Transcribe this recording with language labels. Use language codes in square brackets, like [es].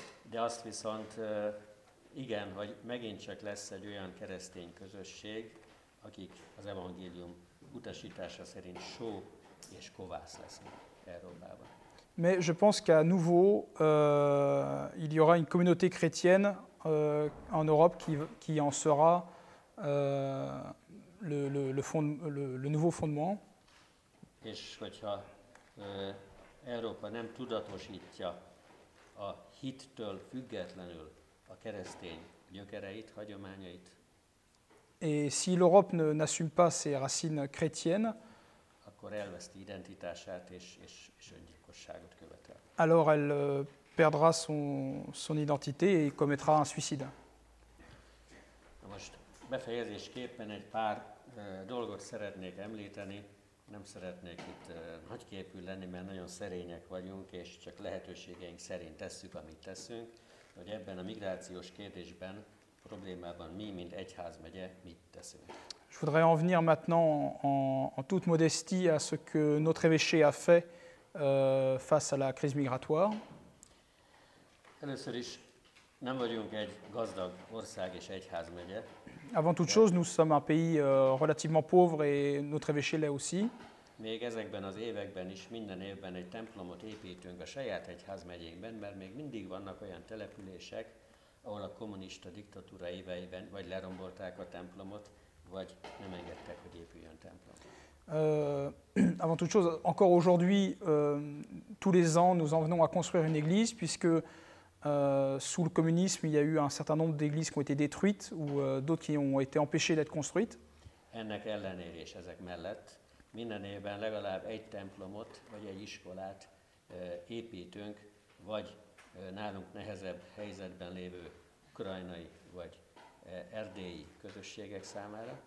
[hu] De azt viszont igen, hogy megint csak lesz egy olyan keresztény közösség, akik az evangélium utasítása szerint só és kovász lesznek Európában. [fr] Mais je pense qu'à nouveau, il y aura une communauté chrétienne en Europe qui en sera le nouveau fondement. [hu] És hogyha Európa nem tudatosítja a hittől függetlenül a keresztény gyökereit, hagyományait. [fr] Et si l'Europe n'assume pas ses racines chrétiennes, [hu] akkor elveszti identitását és öngyilkosságot követel. [fr] Alors elle perdra son identité et commettra un suicide. [hu] Na most befejezésképpen egy pár dolgot szeretnék említeni. Nem szeretnék itt nagyképű lenni, mert nagyon szerények vagyunk, és csak lehetőségeink szerint tesszük, amit teszünk, hogy ebben a migrációs kérdésben, problémában mi, mint egyházmegye, mit teszünk. [fr] Je voudrais en venir maintenant en toute modestie à ce que notre évêché a fait face à la crise migratoire. [hu] Először is nem vagyunk egy gazdag ország és egyházmegye. [fr] Avant toute chose, nous sommes un pays relativement pauvre et notre évêché l'est aussi. [hu] Még ezekben az években is minden évben egy templomot építünk a saját egyházmegyénkben, mert még mindig vannak olyan települések, ahol a kommunista diktatúra éveiben vagy lerombolták a templomot, vagy nem engedtek, hogy épüljön templom. [fr] Avant toute chose, encore aujourd'hui, tous les ans, nous en venons à construire une église, puisque sous le communisme, il y a eu un certain nombre d'églises qui ont été détruites ou d'autres qui ont été empêchées d'être construites. [hu] Ennek ellenére és ezek mellett, minden évben legalább egy templomot vagy egy iskolát építünk, vagy nálunk nehezebb helyzetben lévő ukrajnai vagy erdélyi közösségek számára.